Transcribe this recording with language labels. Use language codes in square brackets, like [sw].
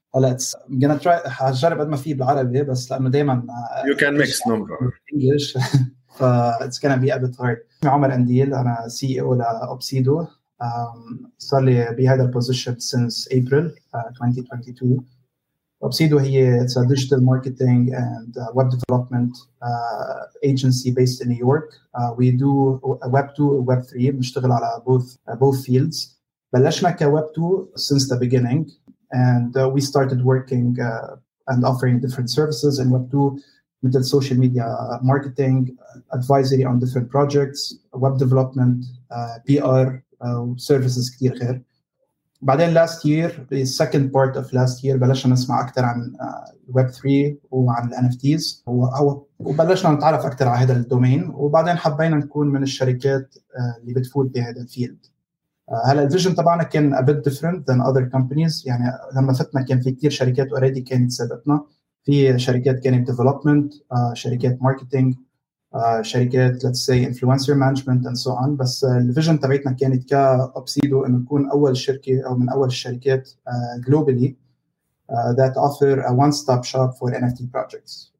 [ar] هلا [en] gonna try [ar] هجرب قد ما في بالعربي، بس لأنه دائما [en] you can mix no problem English. It's gonna be a bit hard. [ar] اسمي عمر كانديل، أنا CEO لـ OBCIDO. صار لي بهذا البوزيشن [en] since April 2022. OBCIDO here, it's a digital marketing and web development agency based in New York. We do web 2 and web 3, [ar] بنشتغل على [en] both fields. بلشنا كweb 2 since the beginning, and we started working and offering different services in web 2, [ar] مثل [en] social media marketing, advisory on different projects, web development, PR, services [ar] كتير غير. بعدين last year, [en] the second part of last year, [ar] بلشنا نسمع أكتر عن Web3 وعن NFTs وبلشنا نتعرف أكتر على هذا الدومين، وبعدين حبينا نكون من الشركات اللي بتفوت بهذا الفيلد. هلا الفيجن طبعاً كان [en] a bit different than other companies، [ar] يعني لما فتنا كان في كتير شركات already كانت سبقتنا، في شركات كانت development، شركات marketing، شركات [en] let's say influencer management and so on، [ar] بس الفيجن تبعتنا كانت كـ OBCIDO إنه نكون أول شركة أو من أول الشركات [en] globally that offer a one stop shop for NFT projects.